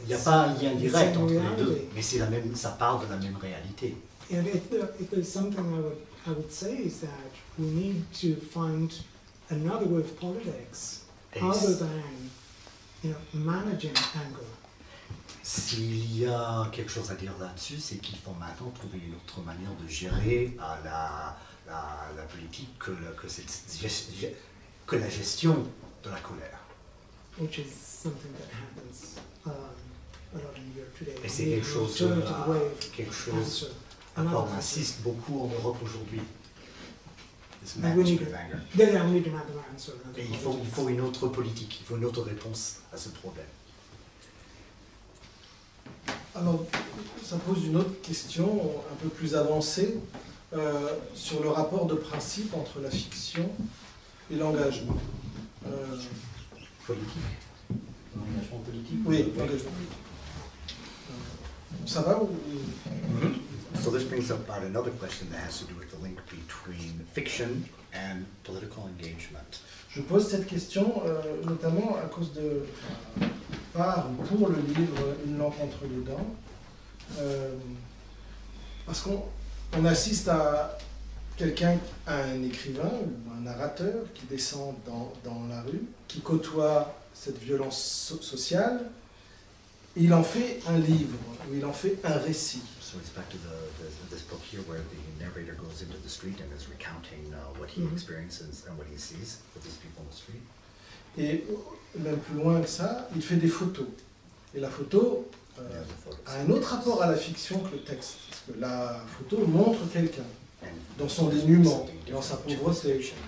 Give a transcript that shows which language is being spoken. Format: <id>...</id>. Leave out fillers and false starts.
<fr>il n'y a pas un lien direct entre les deux, mais c'est la même, ça parle de la même réalité.</fr> <en>And if there's something I would say is that we need to find another way of politics other than managing anger.</en> <fr>S'il y a quelque chose à dire là-dessus, c'est qu'il faut maintenant trouver une autre manière de gérer la politique que la gestion de la colère.</fr> <en>Which is something that happens a lot in Europe today.</en> <fr>Et c'est quelque chose à quoi on insiste beaucoup en Europe aujourd'hui.</fr> <en>This management of anger.</en> <fr>Et il faut une autre politique, il faut une autre réponse à ce problème. Alors, ça pose une autre question, un peu plus avancée, sur le rapport de principe entre la fiction et l'engagement. Politique. L'engagement politique. Oui, l'engagement politique. Ça va ou...</fr> <en>So this brings up another question that has to do with the link between fiction and political engagement.</en> <fr>Je pose cette question notamment à cause de... par ou pour le livre Une lampe entre les dents, parce qu'on assiste à quelqu'un, à un écrivain ou un narrateur qui descend dans la rue, qui côtoie cette violence sociale, il en fait un livre, ou il en fait un récit.</fr> <en>So it's back to this book here where the narrator goes into the street and is recounting what he experiences and what he sees with these people on the street.</en> <fr>Et même plus loin que ça, il fait des photos. Et la photo a un autre rapport à la fiction que le texte. Parce que la photo montre quelqu'un dans son dénuement, dans sa pauvreté.</fr>